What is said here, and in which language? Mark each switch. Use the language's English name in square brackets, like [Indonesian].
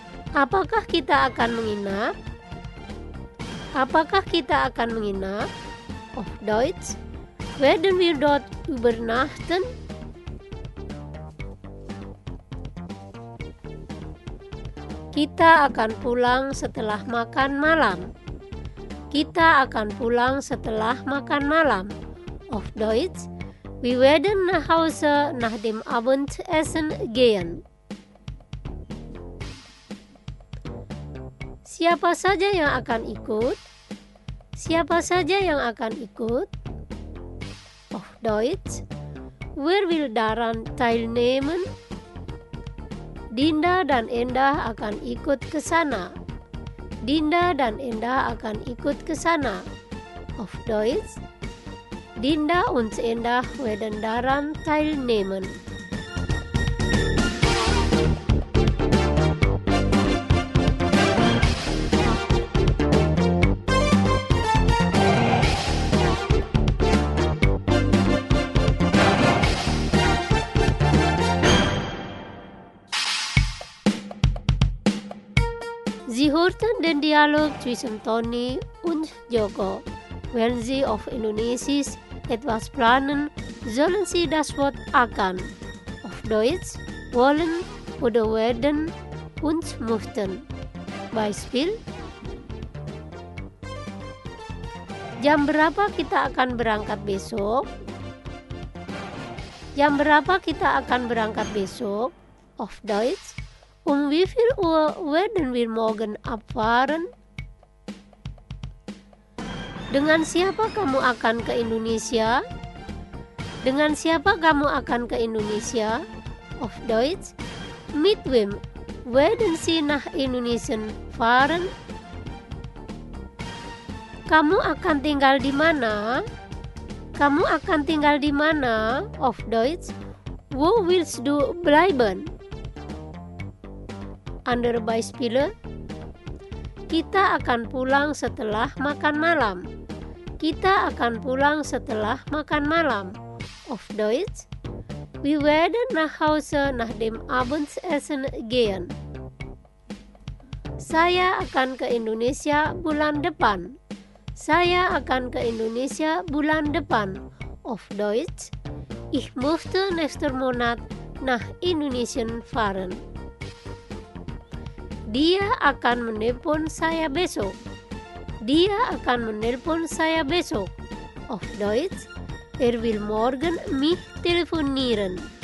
[Indonesian] Apakah kita akan menginap? Apakah kita akan menginap? [German] Auf Deutsch, werden wir dort übernachten? [Indonesian] Kita akan pulang setelah makan malam. Kita akan pulang setelah makan malam. [German] Auf Deutsch, wir werden nach Hause nach dem Abendessen gehen. [Indonesian] Siapa saja yang akan ikut? Siapa saja yang akan ikut? [German] Auf Deutsch, wer will daran teilnehmen? [Indonesian] Dinda dan Endah akan ikut ke sana. Dinda dan Endah akan ikut ke sana. [German] Auf Deutsch, Dinda und Endah werden daran teilnehmen. Sie hörten den Dialog zwischen Toni und Joko. Wenn Sie auf Indonesisch etwas planen, sollen Sie das Wort akan, auf Deutsch wollen oder werden und möchten. Beispiel: [Indonesian] Jam berapa kita akan berangkat besok? Jam berapa kita akan berangkat besok? [German] Auf Deutsch: wie viel Uhr werden wir morgen abfahren? [Indonesian] Dengan siapa kamu akan ke Indonesia? Dengan siapa kamu akan ke Indonesia? [German] Auf Deutsch: Mit wem werden Sie nach Indonesien fahren? [Indonesian] Kamu akan tinggal di mana? Kamu akan tinggal di mana? [German] Auf Deutsch: Wo willst du bleiben? Andere Beispiele: [Indonesian] Kita akan pulang setelah makan malam. Kita akan pulang setelah makan malam. [German] Auf Deutsch: Wir werden nach Hause nach dem Abendessen gehen. [Indonesian] Saya akan ke Indonesia bulan depan. Saya akan ke Indonesia bulan depan. [German] Auf Deutsch: Ich möchte nächsten Monat nach Indonesien fahren. [Indonesian] Dia akan menelpon saya besok. Dia akan menelpon saya besok. [German] Auf Deutsch: will morgen mich telefonieren.